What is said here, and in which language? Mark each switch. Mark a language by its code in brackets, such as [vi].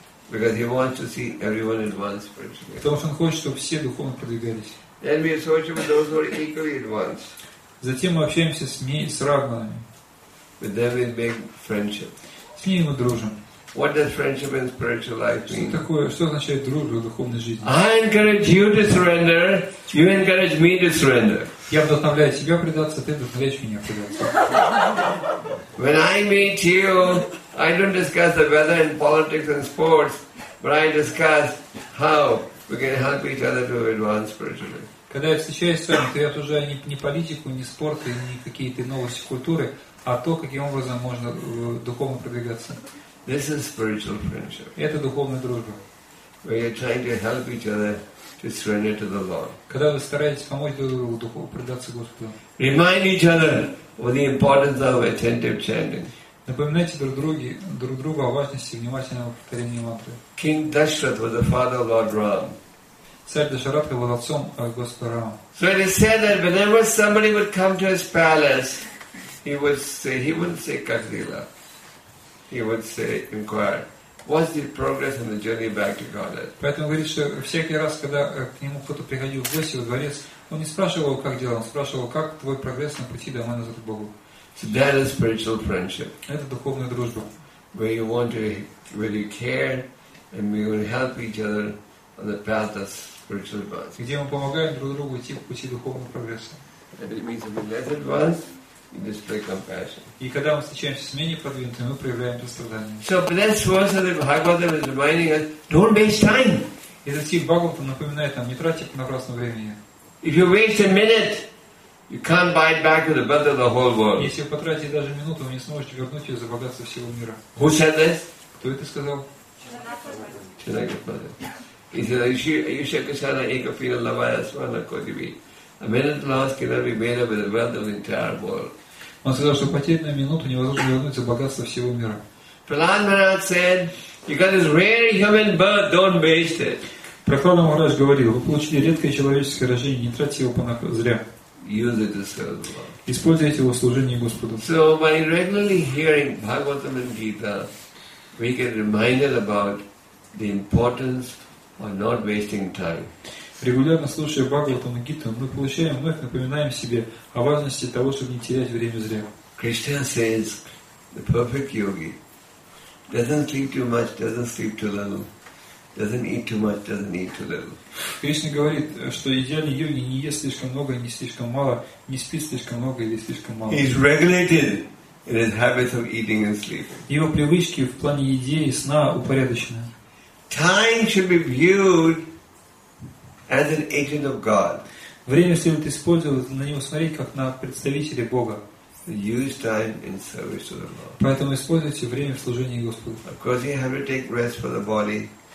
[en] Because he wants to see everyone advance spiritually. [ru] Потому что он хочет, чтобы все духовно продвигались. [en] Then we associate with those who are equally advanced. [ru] Затем мы общаемся с равными. [en] With them we make friendship. [ru] С ними мы дружим. [en] What does friendship in spiritual life mean? [ru] Что такое, что означает дружба в духовной жизни? [en] I encourage you to surrender. You encourage me to surrender. [ru] Я вдохновляю себя предаться, ты вдохновляешь меня предаться. [en] When I meet you, I don't discuss the weather and politics and sports. Brian discussed how we can help each other to advance spiritually. [ru] Когда я встречаюсь с вами, то я уже не политику, не спорт, не какие-то новости культуры, а то, каким образом можно духовно продвигаться. [en] This is spiritual friendship. [ru] Это духовная дружба. [en] We are trying to help each other to surrender to the Lord. [ru] Когда вы стараетесь помочь друг другу духовно предаться Господу. [en] Remind each other of the importance of attentive chanting. [ru] Напоминайте друг другу о важности внимательного повторения мантры. [en] King Dashrath was the father of Lord Ram. [ru] Царь Дашаратха был отцом Господа Рама. [en] So it is said that whenever somebody would come to his palace, he wouldn't say Kathila. He would say, inquire, what's the progress on the journey back to Godhead? [ru] Поэтому говорит, что всякий раз, когда к нему кто-то приходил в гости, во дворец, он не спрашивал, как дела, он спрашивал, как твой прогресс на пути домой назад к Богу. [en] So that is spiritual friendship. [ru] Это духовная дружба. [en] Where you want to, where you care, and we will help each other on the path that's spiritual advance. [ru] Где мы помогаем друг другу идти по пути духовного прогресса. [en] And it means to be less advanced, you display compassion. [ru] И когда мы встречаемся с менее продвинутыми, мы проявляем сострадание. [en] So this verse of the Bhagavatam is reminding us, don't waste time. [ru] И этот стих Бхагаватам напоминает нам, не тратьте понапрасну времени. [en] If you waste a minute, you can't buy back the wealth of the whole world. [ru] Если вы потратите даже минуту, вы не сможете вернуть ее за богатство всего мира. [en] Who said this? [ru] Кто это сказал? [en] Чанакапада. He said, [ru] что потерять на минуту невозможно вернуть за богатство всего мира. [en] Prahlad Maharaj said, you got this rare human birth, don't waste it. [ru] Prahlad Maharaj говорил, вы получили редкое человеческое рождение, не тратьте его зря. [en] Use it to serve the Lord. [ru] Используйте его в служении Господу. [en] So by regularly hearing Bhagavatam and Gita, we get reminded about the importance or not wasting time. [ru] Регулярно слушая Бхагаватам и Гиту, мы получаем, мы напоминаем себе о важности того, чтобы не терять время зря. [en] Krishna says, the perfect yogi doesn't sleep too much, doesn't sleep too little, doesn't eat too much, doesn't eat too little. [ru] Кришна говорит, что идеальный йоги не ест слишком много, не слишком мало, не спит слишком много или слишком мало. [en] He is regulated in his habits of eating and sleeping. [ru] Его привычки в плане еды и сна упорядочены. [en] Time should be viewed as an agent of God. [ru] Время следует использовать, на него смотреть как на представителя Бога. [en] Use time in service to the Lord. [ru] Поэтому используйте время в служении Господу. [en] Of course, you have to take rest for the body.